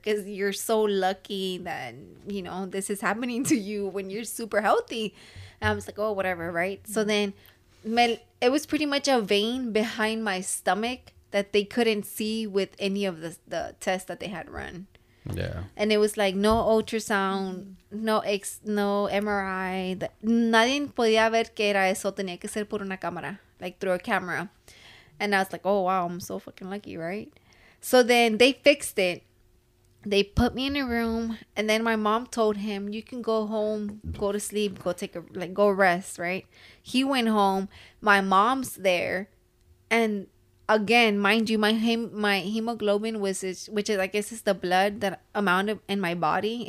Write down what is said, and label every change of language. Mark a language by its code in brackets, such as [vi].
[en] Because you're so lucky that, you know, this is happening to you when you're super healthy. And I was like, oh, whatever, right? So then it was pretty much a vein behind my stomach that they couldn't see with any of the tests that they had run. And it was like no ultrasound, no MRI. [es] Nadie podía ver que era eso. Tenía que ser por una cámara, [en] like through a camera. And I was like, oh, wow, I'm so fucking lucky, right? So then they fixed it. They put me in a room. And then my mom told him, you can go home, go to sleep, go take a, like, go rest, right? He went home. My mom's there. And again, mind you, my hemoglobin, which is, I guess, is the blood that amount of, in my body.